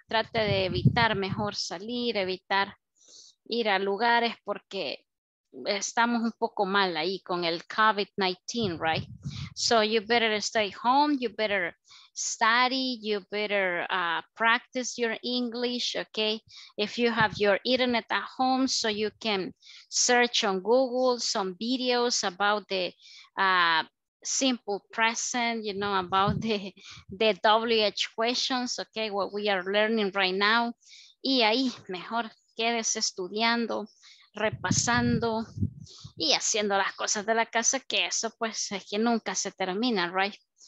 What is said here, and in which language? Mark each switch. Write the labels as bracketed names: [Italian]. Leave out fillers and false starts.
[Spanish] Trate de evitar mejor salir, evitar ir a lugares porque estamos un poco mal ahí con el COVID-19, right? [English] So you better stay home, you better study, you better practice your English, okay? If you have your internet at home, so you can search on Google some videos about the simple present, you know, about the WH questions, okay? What we are learning right now. [Spanish] Y ahí, mejor quédese estudiando, repasando y haciendo las cosas de la casa, que eso pues es que nunca se termina, right?